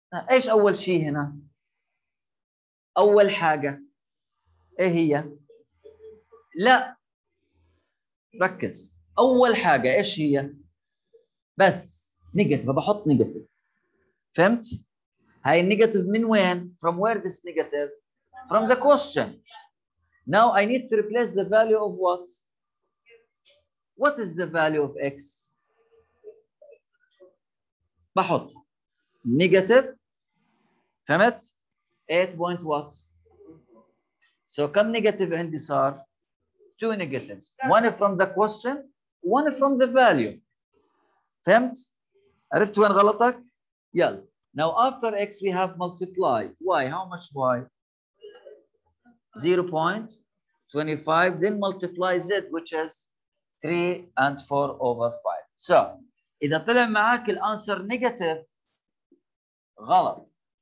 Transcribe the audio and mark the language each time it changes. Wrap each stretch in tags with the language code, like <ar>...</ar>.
<ar>ايش اول شيء هنا؟ اول حاجه ايه هي؟ لا ركز، اول حاجه ايش هي؟ بس نيجاتيف، بحط نيجاتيف، فهمت؟ هاي النيجاتيف من وين؟</ar> <en>From where this negative؟ From the question. Now I need to replace the value of what? What is the value of x؟</en> <ar>بحط نيجاتيف، فهمت؟</ar> <en>8 point what؟ So</en> <ar>كم نيجاتيف عندي صار؟</ar> <en>2 negatives. One from the question, one from the value.</en> <ar>فهمت؟ عرفت وين غلطك؟ يلا.</ar> <en>Now after x we have multiply. Y, how much y؟ 0.25. Then multiply z, which is 3 and 4 over 5.</en> <ar>So, إذا طلع معاك الأنسر نيجاتيف غلط.</ar>